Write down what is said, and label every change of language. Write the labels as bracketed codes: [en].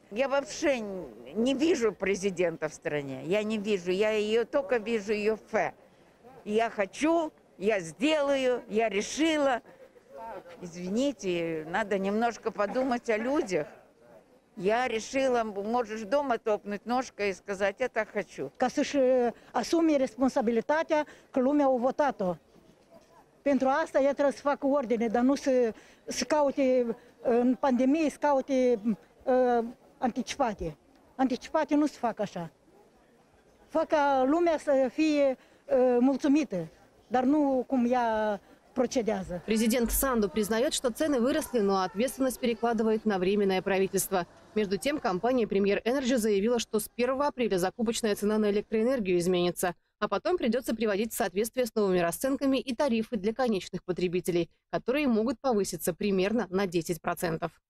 [ru] Я вообще не вижу президента в стране. Я не вижу. Я ее только вижу, ее фе. Я хочу, я сделаю, я решила. Извините, надо немножко подумать о людях. Я решила, можешь дома топнуть ножкой и сказать, я так хочу. [ro] Ca să-și asume responsabilitatea că lumea a votat-o. Pentru asta ea trebuie să facă ordine, dar nu să caute în pandemie, să caute anticipate. Anticipate nu se fac așa. Fac ca lumea să fie mulțumită, dar nu cum ea... [ru] Президент Санду признает, что цены выросли, но ответственность перекладывает на временное правительство. Между тем, компания Premier Energy заявила, что с 1 апреля закупочная цена на электроэнергию изменится, а потом придется приводить в соответствие с новыми расценками и тарифы для конечных потребителей, которые могут повыситься примерно на 10%.